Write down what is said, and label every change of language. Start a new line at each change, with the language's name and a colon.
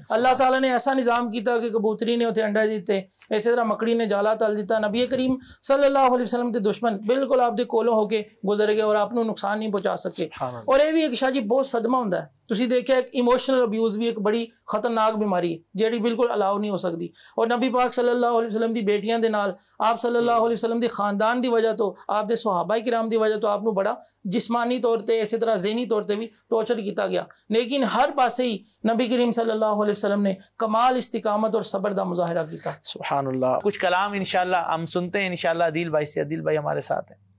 Urdu: اللہ تعالیٰ نے ایسا نظام کیتا کہ کبوتری نے اتنے انڈے دیتے اسی طرح مکڑی نے جالا تل دیتا. نبی کریم صلی اللہ علیہ وسلم کے دشمن بالکل آپ کے کولوں ہو کے گزر گئے اور آپ کو نقصان نہیں پہنچا سکے. اور یہ بھی ایک شاہ جی بہت صدمہ ہوتا ہے تُسی دیکھا ایک ایموشنل ابیوز بھی ایک بڑی خطرناک بیماری ہے جیڑی بالکل الاؤ نہیں ہو سکتی.
Punjabi: اور نبی پاک صلی اللہ علیہ وسلم دی بیٹیاں دے نال آپ صلی اللہ علیہ وسلم دی خاندان دی وجہ تو آپ دے صحابہ کرام دی وجہ تو آپ نو بڑا جسمانی طور تے اسی طرح ذہنی طور تے بھی ٹارچر کیتا گیا لیکن ہر پاسے ہی نبی کریم صلی اللہ علیہ وسلم نے کمال استقامت اور صبر دا مظاہرہ کیتا.
Urdu: سبحان اللہ. کچھ کلام انشاءاللہ ہم سنتے ہیں انشاءاللہ. عدیل بھائی سے عدیل بھائی ہمارے ساتھ ہیں.